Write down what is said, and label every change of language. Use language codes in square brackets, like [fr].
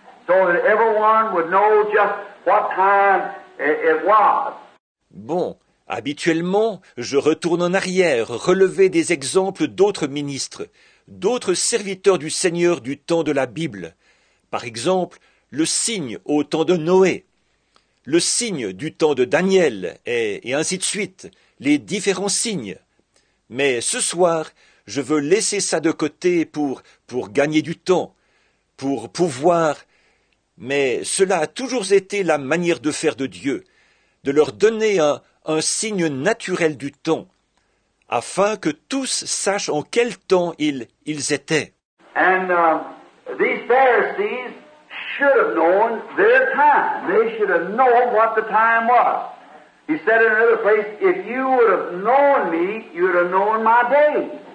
[en] So that everyone would know just what time it was. [fr] Bon, habituellement, je retourne en arrière, relever des exemples d'autres ministres, d'autres serviteurs du Seigneur du temps de la Bible. Par exemple, le signe au temps de Noé, le signe du temps de Daniel, et ainsi de suite, les différents signes. Mais ce soir, je veux laisser ça de côté pour gagner du temps, pour pouvoir... Mais cela a toujours été la manière de faire de Dieu, de leur donner un signe naturel du temps, afin que tous sachent en quel temps ils étaient. [en] And these Pharisees should have known their time. They should have known what the time was. He said in another place, if you would have known me, you would have known my day.